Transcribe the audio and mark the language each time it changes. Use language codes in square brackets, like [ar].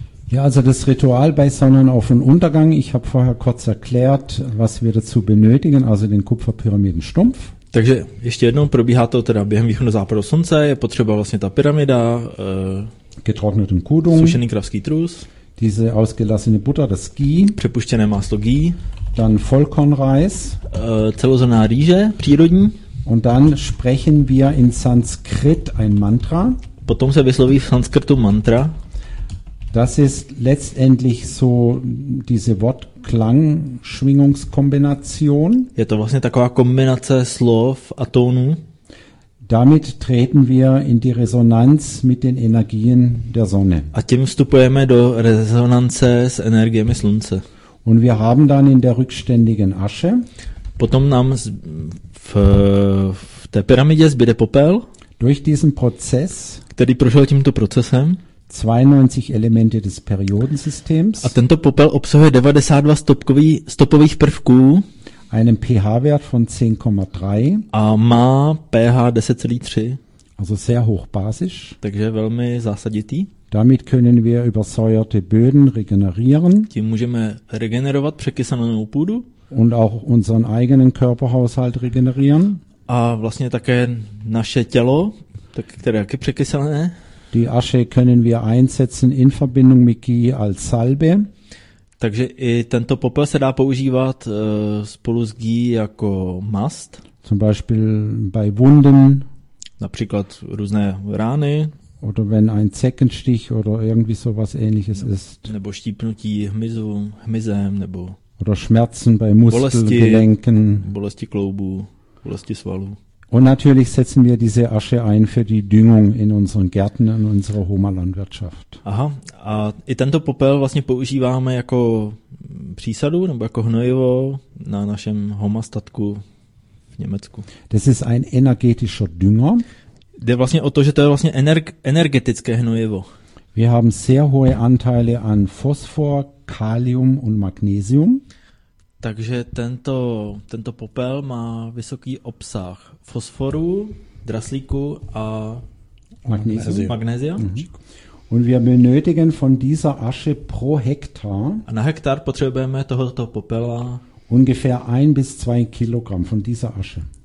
[de] Ja, also das Ritual bei Sonnenauf- und Untergang, ich habe vorher kurz erklärt, was wir dazu benötigen, also den Kupferpyramidenstumpf. [cs] Takže ještě jednou, probíhá to teda během východu západu slunce, je potřeba vlastně ta pyramida, [de] getrockneten Kudung, [cs] sušený kravský trus, [de] diese ausgelassene Butter, das Ghee, [cs] přepuštěné máslo Ghee, [de] dann Vollkornreis, [cs] celozrnná rýže, přírodní, [de] und dann sprechen wir in Sanskrit ein Mantra. [cs] Potom se vysloví v sanskritu mantra. [de] Das ist letztendlich so diese Wortklang-Schwingungskombination. [cs] Je to vlastně taková kombinace slov a tónů. [de] Damit treten wir in die Resonanz mit den Energien der Sonne. [cs] A tím vstupujeme do rezonance s energiemi slunce. [de] Und wir haben dann in der rückständigen Asche. [cs] Potom nám v té pyramidě zbyde popel. [de] Durch diesen Prozess. [cs] Který prošel tímto procesem. [de] 92 Elemente des Periodensystems. [cs] A tento popel obsahuje 92 stopových prvků. [de] Einen pH-Wert von 10,3. [cs] A má pH 10,3. [de] Also sehr hochbasisch. [cs] Takže velmi zásaditý. [de] Damit können wir übersäuerte Böden regenerieren. [cs] Tím můžeme regenerovat překysanou půdu. [de] Und auch unseren eigenen Körperhaushalt regenerieren. [cs] A vlastně také naše tělo, které je překysané. [de] Die Asche können wir einsetzen in Verbindung mit Ghee als Salbe. [cs] Takže i tento popel se dá používat spolu s ghee jako mast. [de] Zum Beispiel bei Wunden. [cs] Například různé rány. [de] Oder wenn ein Zeckenstich oder irgendwie sowas ähnliches ist. [cs] Nebo štípnutí hmyzem nebo. [de] Oder Schmerzen bei Muskelgelenken. [cs] Bolesti kloubů, bolesti svalů. [de] Und natürlich setzen wir diese Asche ein für die Düngung in unseren Gärten und unserer Homa-Landwirtschaft. [cs] Aha, a i tento popel vlastně používáme jako přísadu nebo jako hnojivo na našem homastatku v Německu. [de] Das ist ein energetischer Dünger. [cs] Jde vlastně o to, že to je vlastně energetické hnojivo. [de] Wir haben sehr hohe Anteile an Phosphor, Kalium und Magnesium. [cs] Takže tento popel má vysoký obsah fosforu, draslíku a [de] Magnesium. Und wir benötigen von dieser Asche pro Hektar [cs] a na hektar potřebujeme tohoto popela [de] ungefähr 1 bis 2 Kilogramm von dieser Asche.